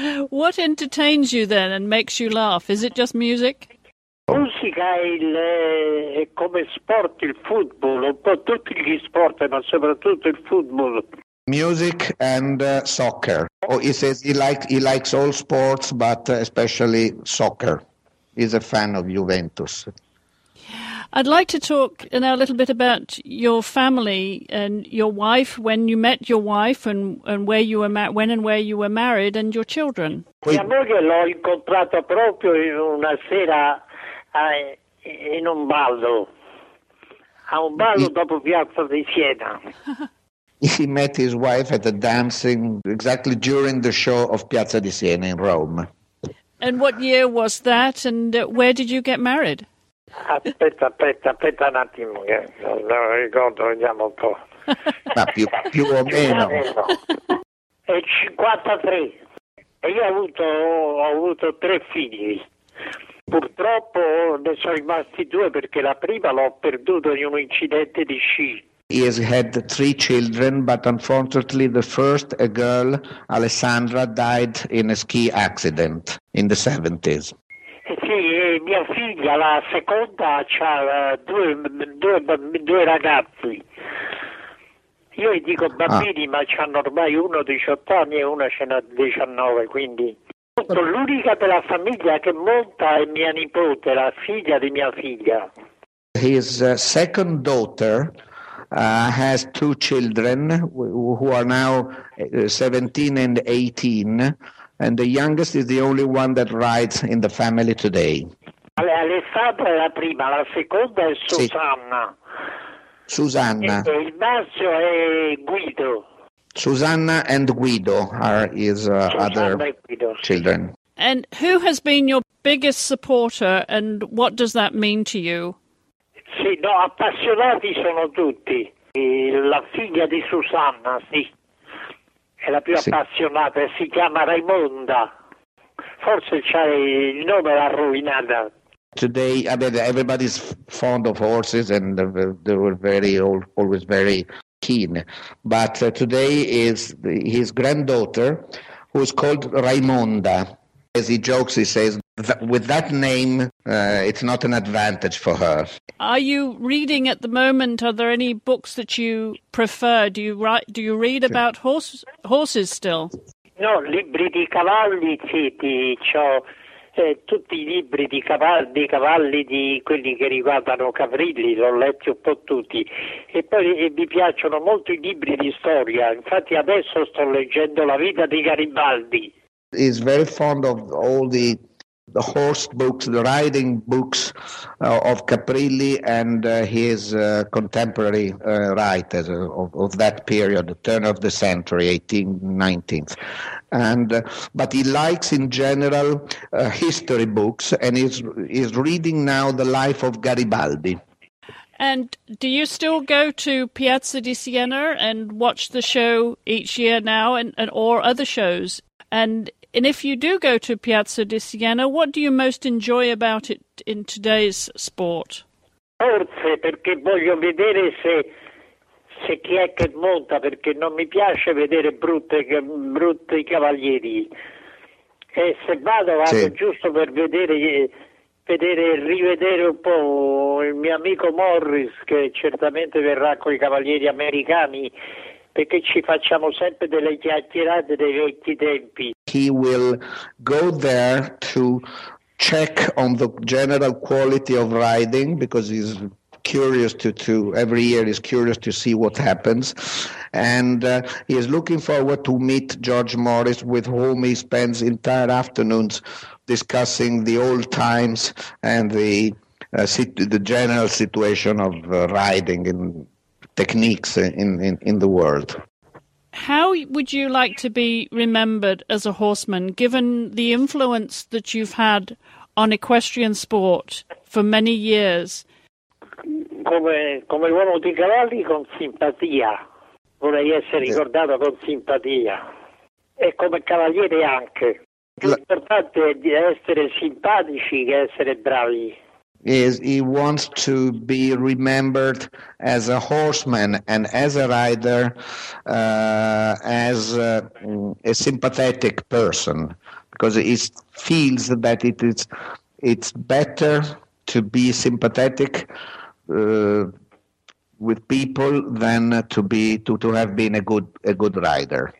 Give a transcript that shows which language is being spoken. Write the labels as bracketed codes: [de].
[en] What entertains you then and makes you laugh? Is it just music? [it] Musica è come sport, il football, un po' tutti gli sport, ma soprattutto il football. [en] Music and soccer. Oh, he says he likes all sports, but especially soccer. He's a fan of Juventus. I'd like to talk now a little bit about your family and your wife, when you met your wife and where you were when and where you were married, and your children. [it] Mia moglie l'ho incontrata proprio in una sera in un ballo. A un ballo dopo Piazza di Siena. [en] He met his wife at the dancing exactly during the show of Piazza di Siena in Rome. And what year was that, and where did you get married? [it] Aspetta un attimo, lo ricordo, andiamo un po'. Ma più o meno. È 53. E io ho avuto tre figli. Purtroppo ne sono rimasti due, perché la prima l'ho perduto in un incidente di sci. [en] He has had three children, but unfortunately the first, a girl, Alessandra, died in a ski accident in the 70s. [it] Sì, mia figlia, la seconda, ha due ragazzi. Io gli dico bambini, ma c'hanno ormai uno 18 anni e una ce n'ha 19, quindi... L'unica della famiglia che monta è mia nipote, la figlia di mia figlia. [en] His second daughter has two children who are now 17 and 18, and the youngest is the only one that rides in the family today. [it] Alessandra è la prima, la seconda è Susanna. Sì. Susanna. E il maschio è Guido. [en] Susanna and Guido are his other children. And who has been your biggest supporter, and what does that mean to you? [it] Sì, no, appassionati sono tutti. La figlia di Susanna, sì, è la più appassionata, si chiama Raimonda. Forse c'hai il nome l'ha rovinata. [en] Today, I mean, everybody's fond of horses, and they were always very keen. But today is his granddaughter, who is called Raimonda. As he jokes, he says, with that name, it's not an advantage for her. Are you reading at the moment? Are there any books that you prefer? Do you read about horses still? [it] No, libri di cavalli, sì, c'ho tutti i libri di cavalli, di quelli che riguardano caprilli, l'ho letti un po' tutti. E poi mi piacciono molto i libri di storia, infatti adesso sto leggendo La vita di Garibaldi. [en] is very fond of all the horse books, the riding books of Caprilli and his contemporary writers of that period, the turn of the century, 18th, 19th. But he likes in general history books, and is reading now The Life of Garibaldi. And do you still go to Piazza di Siena and watch the show each year now, and or other shows? And if you do go to Piazza di Siena, what do you most enjoy about it in today's sport? [it] Forse perché voglio vedere se chi è che monta, perché non mi piace vedere brutti cavalieri. E se vado sì. Giusto per vedere e rivedere un po' il mio amico Morris, che certamente verrà con i cavalieri americani, perché ci facciamo sempre delle chiacchierate dei vecchi tempi. [en] He will go there to check on the general quality of riding, because he's curious to every year is curious to see what happens, and he is looking forward to meet George Morris, with whom he spends entire afternoons discussing the old times and the general situation of riding and techniques in the world. How would you like to be remembered as a horseman, given the influence that you've had on equestrian sport for many years? [it] Come uomo di cavalli, con simpatia. Vorrei essere ricordato con simpatia. E come cavaliere anche. L'importante è di essere simpatici che essere bravi. [en] He wants to be remembered as a horseman and as a rider, as a sympathetic person, because he feels that it's better to be sympathetic with people than to have been a good rider.